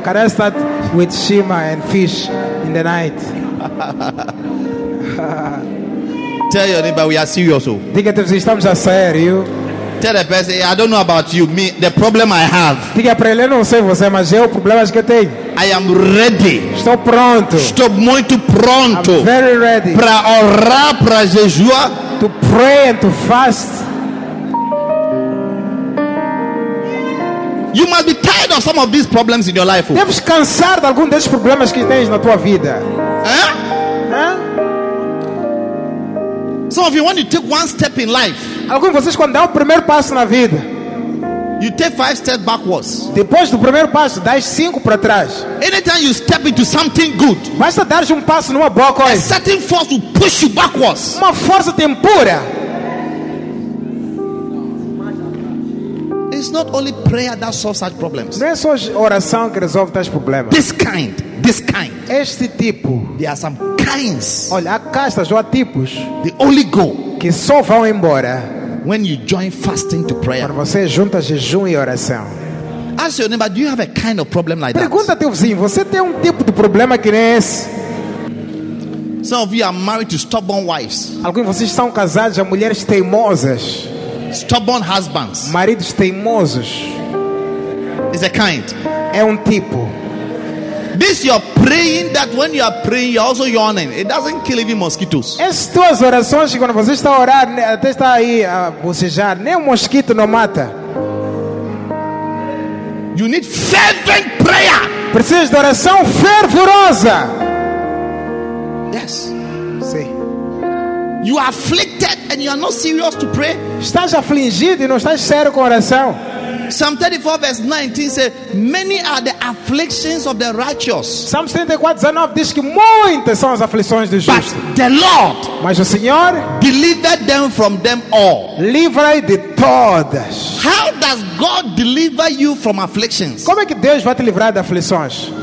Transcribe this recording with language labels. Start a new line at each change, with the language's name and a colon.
English: Can I start with shima and fish in the night? Tell your neighbor we are serious.
Portuguese: Diga para ele, estamos a sério.
English: Tell the person, I don't know about you, me, the problem I have.
Portuguese: Diga para ele, não sei você, mas eu o problema que eu tenho.
English: I am ready.
Portuguese: Estou pronto. Estou muito pronto.
English: I'm very ready.
Portuguese: Para orar, para jejuar.
English: To pray and to fast. You must be tired of some of these problems in your life.
Portuguese: Deves cansar de algum desses problemas que tens na tua vida.
English: Some of you, when you take one step in life,
Portuguese: alguns de vocês quando dão o primeiro passo na vida,
English: you take 5 steps backwards.
Portuguese: Depois do primeiro passo, dá 5 para trás.
English: Anytime you step into something good,
Portuguese: basta dar um passo numa boa coisa,
English: a certain force will push you backwards.
Portuguese: Uma força te empurra.
English: It's not only prayer that solves such problems.
Portuguese: Não é só oração que resolve tais problemas.
English: This kind.
Portuguese: Este tipo.
English: There are some kinds.
Portuguese: Olha, há castas ou há tipos.
English: They only go.
Portuguese: Que só vão embora.
English: When you join fasting to prayer.
Portuguese: Quando você junta jejum e oração.
English: Ask your neighbor, do you have a kind of problem like
Portuguese: pergunta
English: that?
Portuguese: Pergunta teu vizinho, você tem tipo de problema que nem esse?
English: Some of you are married to stubborn wives.
Portuguese: Alguns de vocês são casados a mulheres teimosas.
English: Stubborn husbands.
Portuguese: Maridos teimosos.
English: It's a kind.
Portuguese: É tipo.
English: This you're praying that when you are praying, you're also yawning. It doesn't kill even mosquitoes.
Portuguese: As tuas orações, quando você está a orar, até está aí a bocejar, nem mosquito não mata.
English: You need fervent prayer.
Portuguese: Precisas de oração fervorosa.
English: Yes.
Portuguese: Sim.
English: You are afflicted and you are not serious to pray.
Portuguese: Estás afligido e não estás sério com oração.
English: Psalm 34 verse 19 says, many are the afflictions of the righteous. Psalm 34 verse 19
Portuguese: diz que muitas são as aflições dos justos.
English: But the Lord,
Portuguese: mas o Senhor,
English: delivered them from them all.
Portuguese: Livra de todas.
English: How does God deliver you from afflictions?
Portuguese: Como é que Deus vai te livrar de aflições?